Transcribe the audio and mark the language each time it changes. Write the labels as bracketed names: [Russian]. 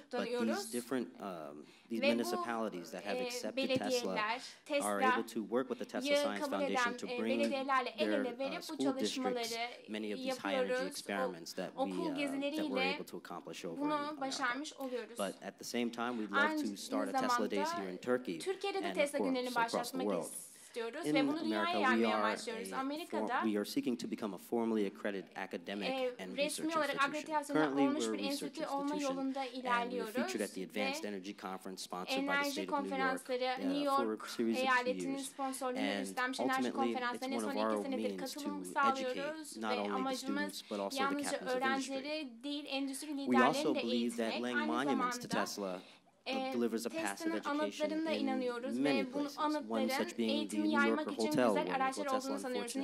[English] But these different these municipalities that have accepted Tesla are able to work with the Tesla Science Foundation to bring their school districts many of these high-energy experiments that we're able to accomplish over in America. But at the same time, we'd love to start a Tesla Days here in Turkey and, of course, across the world. [Turkish] istiyoruz ve bunu dünyaya yaymayı amaçlıyoruz. Amerika'da [English] we are seeking to become a formally accredited academic and [Turkish] resmi olarak akreditasyonu olmuş bir enstitü olma yolunda ilerliyoruz. [English] Featured at the Advanced Energy Conference sponsored by the state of New York, [Turkish] New York eyaletinin sponsorluğunu üstlenmiş enerji konferanslarına son 2 senedir katılım sağlıyoruz ve amacımız yalnızca öğrencileri değil endüstri liderlerini de eğitmek. Aynı zamanda Tesla'nın anıtlarına inanıyoruz ve bu anıtların eğitimi yaymak için güzel araçlar olduğunu sanıyoruz.